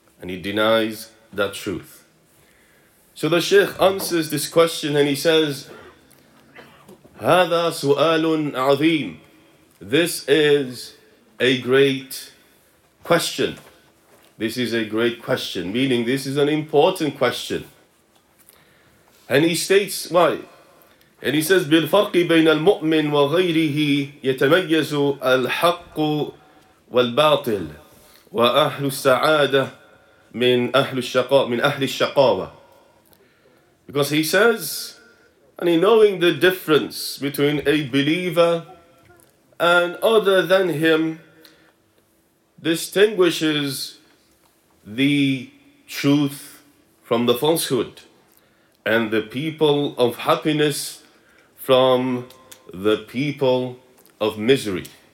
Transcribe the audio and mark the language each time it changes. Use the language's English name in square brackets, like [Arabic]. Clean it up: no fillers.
[English] And he denies that truth. So the Shaykh answers this question and he says, [Arabic] هذا سؤال عظيم. [English] This is a great question. This is a great question, meaning this is an important question. And he states why. And he says, [Arabic] بالفرق بين المؤمن وغيره يتميز الحق والباطل وأهل السعادة من أهل الشقاء من أهل الشقاوة. [English] Because he says, and he knowing the difference between a believer and other than him distinguishes the truth from the falsehood and the people of happiness from the people of misery.